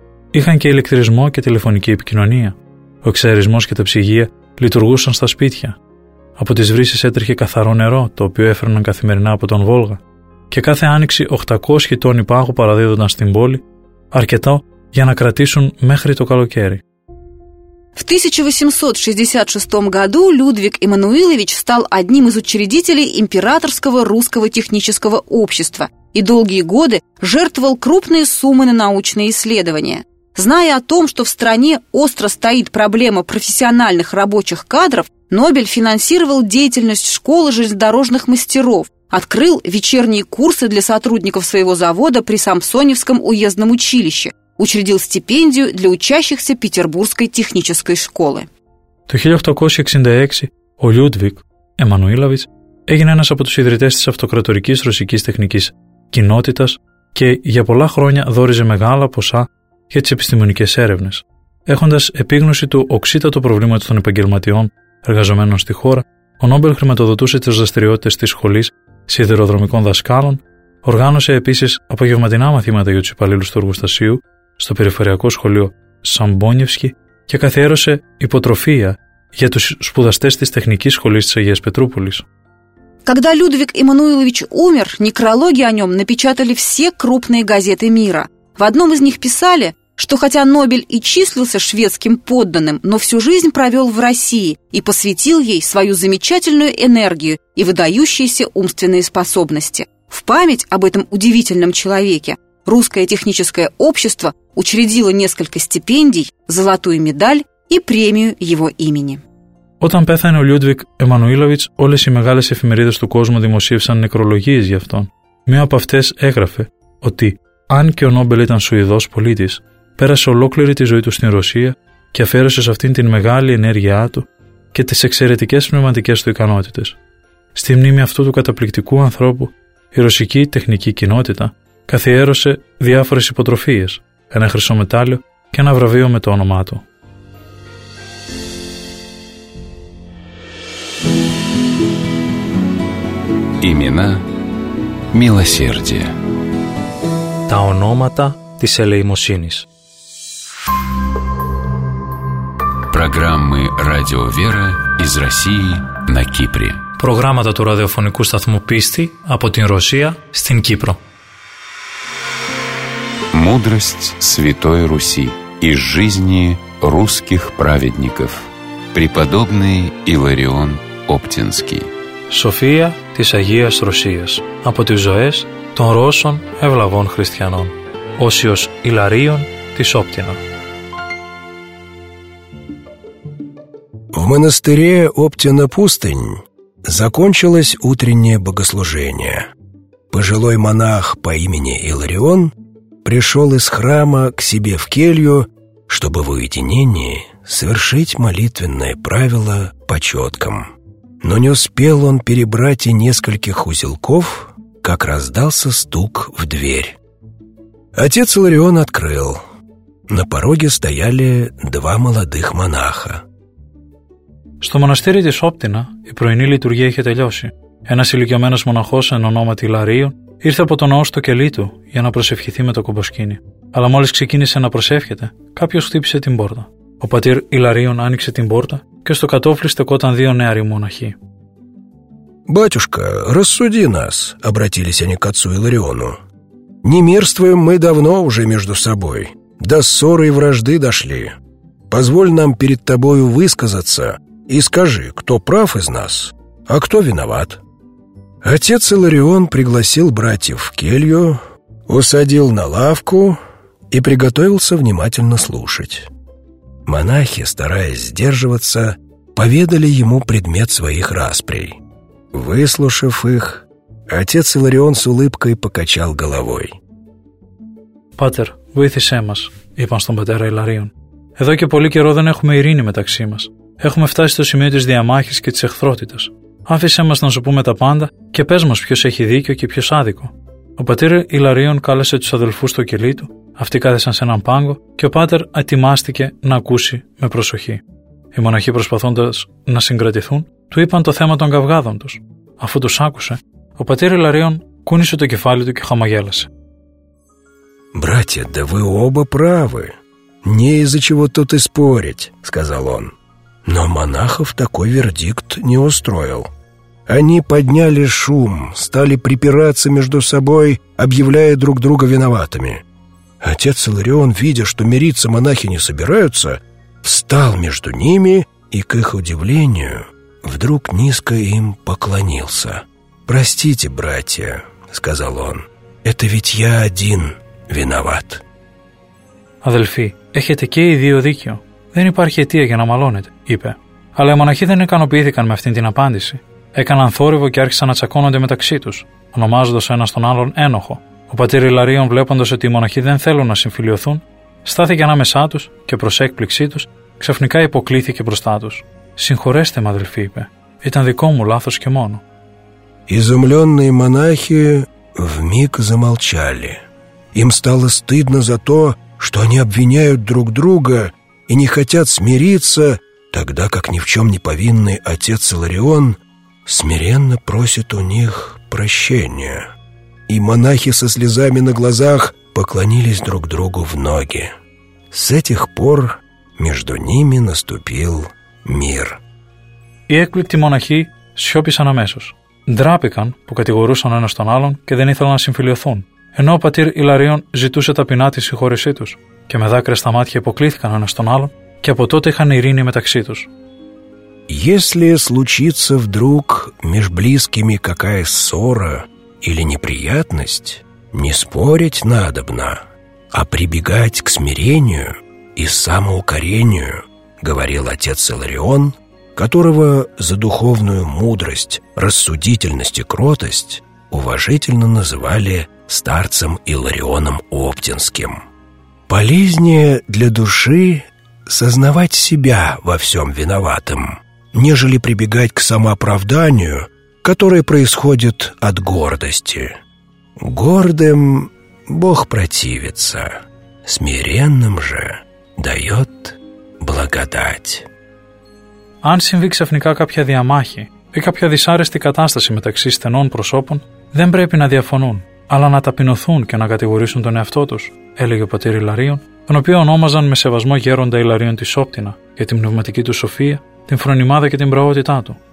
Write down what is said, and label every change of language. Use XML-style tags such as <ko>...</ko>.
<el>Είχαν και ηλεκτρισμό και τηλεφωνική επικοινωνία. Ο εξαερισμός και τα ψυγεία λειτουργούσαν στα σπίτια. Από τις βρύσες έτρεχε καθαρό νερό, το οποίο έφερναν καθημερινά από τον Βόλγα. Και κάθε άνοιξη 800 τόνοι πάγου παραδίδονταν στην πόλη, αρκετά για να κρατήσουν μέχρι το καλοκαίρι.</el> <ru>В 1866 году Людвиг Эммануилович стал одним из учредителей Императорского русского технического общества и долгие годы жертвовал крупные суммы на научные исследования. Зная о том, что в стране остро стоит проблема профессиональных рабочих кадров, Нобель финансировал деятельность школы железнодорожных мастеров, открыл вечерние курсы для сотрудников своего завода при Самсоневском уездном училище, учредил стипендию для учащихся Петербургской технической школы.</ru> <el>Το 1866 ο Λιούντβικ Εμμανουήλαβιτς έγινε ένας από τους ιδρυτές της αυτοκρατορικής ρωσικής τεχνικής κοινότητας και για πολλά χρόνια δόριζε μεγάλα ποσά για τις επιστημονικές έρευνες. Έχοντας επίγνωση του οξύτατο προβλήματο των επαγγελματιών εργαζομένων στη χώρα, ο Νόμπελ χρηματοδοτούσε τις δραστηριότητες της σχολής σιδηροδρομικών δασκάλων, οργάνωσε επίσης απογευματινά μαθήματα για τους υπαλλήλους του εργοστασίου στο περιφερειακό σχολείο Σαμπόνιευσκι και καθιέρωσε υποτροφία για τους σπουδαστές της τεχνικής σχολής της Αγίας Πετρούπολης.</el> <ru>Когда Людвиг Эммануилович умер, некрологи о нем напечатали все крупные газеты мира. В одном из них писали, что хотя Нобель и числился шведским подданным, но всю жизнь провел в России и посвятил ей свою замечательную энергию и выдающиеся умственные способности. В память об этом удивительном человеке Русское техническое общество учредило несколько стипендий, золотую медаль и премию его имени.</ru> <el>Όταν πέθανε ο Λιούντβικ Εμμανουήλοβιτς, όλες οι μεγάλες εφημερίδες του κόσμου δημοσίευσαν νεκρολογίες για αυτόν. Μία από αυτές έγραφε ότι, αν και ο Νόμπελ ήταν Σουηδός πολίτης, πέρασε ολόκληρη τη ζωή του στην Ρωσία και αφαίρεσε σε αυτήν την μεγάλη ενέργειά του και τις εξαιρετικές πνευματικές του ικανότητες. Στη μνήμη αυτού του καταπληκτικού ανθρώπου, η ρωσική τεχνική κοινότητα καθιέρωσε διάφορες υποτροφίες, ένα χρυσό μετάλλιο και ένα βραβείο με το όνομά του.</el> <ru>Имена милосердия.</ru> <el>Τα ονόματα της ελεημοσύνης.</el> <ru>Программы Радио Вера из России на Кипре.</ru> <el>Προγράμματα του ραδιοφωνικού σταθμού Πίστη από την Ρωσία στην Κύπρο.</el> <ru>Мудрость Святой Руси из жизни русских праведников. Преподобный Иларион Оптинский.</ru> <el>Σοφία της Αγίας Ρωσίας από τις ζωές των Ρώσων ευλαβών χριστιανών. Όσιος Ιλαρίων της Όπτινα.</el> <ru>В монастыре Оптина-Пустынь закончилось утреннее богослужение. Пожилой монах по имени Иларион пришел из храма к себе в келью, чтобы в уединении совершить молитвенное правило по четкам. Но не успел он перебрать и нескольких узелков, как раздался стук в дверь. Отец Иларион открыл. На пороге стояли два молодых монаха.</ru> <el>Στο μοναστήρι της Όπτινα η πρωινή λειτουργία είχε τελειώσει. Ένας ηλικιωμένος μοναχός εν ονόματι Ιλαρίων ήρθε από τον ναό στο κελί του για να προσευχηθεί με το κομποσκήνι. Αλλά μόλις ξεκίνησε να προσεύχεται, κάποιος χτύπησε την πόρτα. Ο πατήρ Ιλαρίων άνοιξε την πόρτα και στο κατόφλι στεκόταν δύο νεαροί μοναχοί.</el> <ru>«Батюшка, рассуди нас», обратились они к отцу Илариону. «Не мерствуем мы давно уже между собой. До ссоры и вражды дошли. Позволь нам перед тобою высказаться и скажи, кто прав из нас, а кто виноват». Отец Иларион пригласил братьев в келью, усадил на лавку и приготовился внимательно слушать. Монахи, стараясь сдерживаться, поведали ему предмет своих расприй. Выслушав их, отец Иларион с улыбкой покачал головой.</ru> <el>«Патер, выйдите нас», — είπαν στον πατέρα Иларион. «Εδώ και πολύ καιρό δεν έχουμε ειρήνη μεταξύ μας. Έχουμε φτάσει στο σημείο της διαμάχης και της εχθρότητας. Άφησέ μας να σου πούμε τα πάντα και πες μας ποιος έχει δίκιο και ποιος άδικο». Ο πατήρ Ιλαρίων κάλεσε τους αδελφούς στο κελί του, αυτοί κάθεσαν σε έναν πάγκο και ο πάτερ ετοιμάστηκε να ακούσει με προσοχή. Οι μοναχοί προσπαθώντας να συγκρατηθούν, του είπαν το θέμα των καυγάδων τους. Αφού τους άκουσε, ο πατήρ Ιλαρίων κούνησε το κεφάλι του και χαμογέλασε.</el> <ru>«Братья, да вы оба правы. Не из-за чего тут и спорить», — сказал он. Но монахов такой вердикт не устроил. Они подняли шум, стали припираться между собой, объявляя друг друга виноватыми. Отец Иларион, видя, что мириться монахи не собираются, встал между ними и, к их удивлению, вдруг низко им поклонился. «Простите, братья», — сказал он, — «это ведь я один виноват».</ru> <el>«Адельфи, эхете кей дио дикио. Δεν υπάρχει αιτία για να μαλώνετε», είπε. Αλλά οι μοναχοί δεν ικανοποιήθηκαν με αυτήν την απάντηση. Έκαναν θόρυβο και άρχισαν να τσακώνονται μεταξύ τους, ονομάζοντας ο ένας τον άλλον ένοχο. Ο πατήρ Ιλαρίων, βλέποντας ότι οι μοναχοί δεν θέλουν να συμφιλειωθούν, στάθηκε ανάμεσά τους και προς έκπληξή τους, ξαφνικά υποκλήθηκε μπροστά τους. «Συγχωρέστε, μ' αδελφοί», είπε. «Ήταν δικό μου λάθος και μόνο».</el> <ru>Изумленные монахи вмиг замолчали. Им стало стыдно за то, что они обвиняют друг друга и не хотят смириться, тогда как ни в чем не повинный отец Иларион смиренно просит у них прощения. И монахи со слезами на глазах поклонились друг другу в ноги. С этих пор между ними наступил мир.</ru> <el>Οι έκπληκτοι μοναχοί σιώπησαν αμέσως. Ντράπηκαν που κατηγορούσαν ένας τον άλλον και δεν ήθελαν να συμφιλειωθούν. ενώ ο πατήρ Ιλαρίων ζητούσε ταπεινά τη συγχώρεσή τους και με δάκρυα στα μάτια υποκλήθηκαν ένας τον άλλον και από τότε είχαν ειρήνη μεταξύ τους.</el> <ru>Если случится вдруг меж близкими какая ссора или неприятность, не спорить надобно, а прибегать к смирению и самоукорению, говорил отец Иларион, которого за духовную мудрость, рассудительность и кротость уважительно называли старцем Иларионом Оптинским. Полезнее для души сознавать себя во всем виноватым, нежели прибегать к самооправданию, которое происходит от гордости. Гордым Бог противится, смиренным же дает благодать.</ru> <el>Αν συμβεί ξαφνικά κάποια διαμάχη ή κάποια δυσάρεστη κατάσταση μεταξύ στενών προσώπων, δεν πρέπει να διαφωνούν, αλλά να ταπεινωθούν και να κατηγορήσουν τον εαυτό τους, έλεγε ο πατήρ Ιλαρίων, τον οποίο ονόμαζαν με σεβασμό γέροντα Ιλαρίων της Όπτινα για την πνευματική του σοφία, την φρονιμάδα και την πραότητά του.</el>